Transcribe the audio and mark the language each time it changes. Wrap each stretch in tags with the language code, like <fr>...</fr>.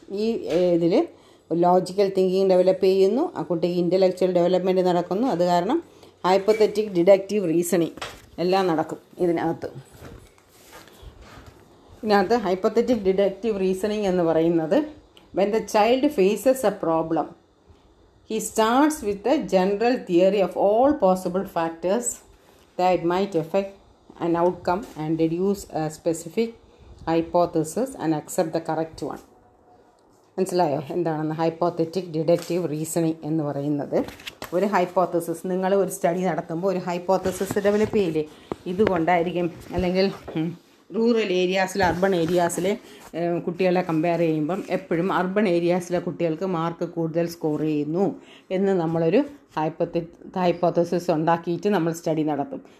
<ml>ഈ ഇതിൽ logical thinking develop ചെയ്യുന്നു, ആ കുട്ടിക്ക് ഇൻ്റലക്ച്വൽ ഡെവലപ്മെൻറ്റ് നടക്കുന്നു, അത് കാരണം ഹൈപ്പത്തറ്റിക് ഡിഡക്റ്റീവ് റീസണിങ് എല്ലാം നടക്കും ഇതിനകത്ത്. ഇതിനകത്ത്</ml> <en>hypothetic deductive reasoning</en> <ml>എന്ന് പറയുന്നത്</ml> <en>When the child faces a problem He starts with the general theory of all possible factors that might affect an outcome and deduce a specific hypothesis and accept the correct one.</en> <ml>മനസ്സിലായോ എന്താണെന്ന്? Hypothetic deductive reasoning, എന്ന് പറയുന്നത് ഒരു hypothesis, നിങ്ങൾ ഒരു study നടത്തുമ്പോൾ ഒരു hypothesis develop ചെയ്യില്ലേ, ഇതുകൊണ്ടായിരിക്കും, അല്ലെങ്കിൽ റൂറൽ ഏരിയാസിൽ അർബൺ ഏരിയാസിലെ കുട്ടികളെ കമ്പയർ ചെയ്യുമ്പം എപ്പോഴും അർബൺ ഏരിയാസിലെ കുട്ടികൾക്ക് മാർക്ക് കൂടുതൽ സ്കോർ ചെയ്യുന്നു എന്ന് നമ്മളൊരു ഹൈപ്പോത്തസിസ് ഉണ്ടാക്കിയിട്ട് നമ്മൾ സ്റ്റഡി നടത്തും.</ml>